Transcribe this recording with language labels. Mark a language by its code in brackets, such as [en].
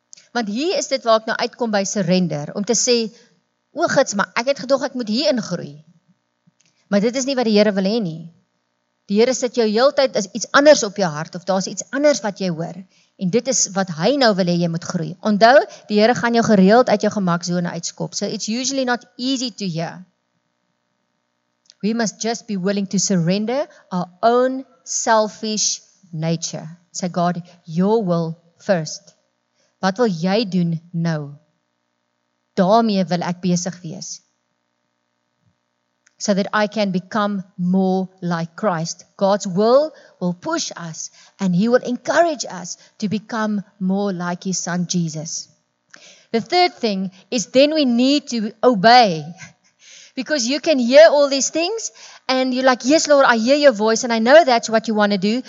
[af] Want hier is dit waar ek nou uitkom by surrender, om te sê, o gits, maar ek het gedog ek moet hier in groei. Maar dit is nie wat die Here wil hê nie. Die Here sit jou heeltyd as iets anders op jou hart, of daar is iets anders wat jy hoor. En dit is wat hy nou wil hê jy moet groei. Onthou, die Here gaan jou gereeld uit jou gemaksone uitskop. [en] So it's usually not easy to hear. We must just be willing to surrender our own selfish nature. Say, God, your will first. [af] Wat wil jy doen nou? Daarmee wil ek besig wees. [en] so that I can become more like Christ. God's will push us and He will encourage us to become more like His Son Jesus. The third thing is then we need to obey. Because you can hear all these things and you're like, yes, Lord, I hear your voice and I know that's what you want to do.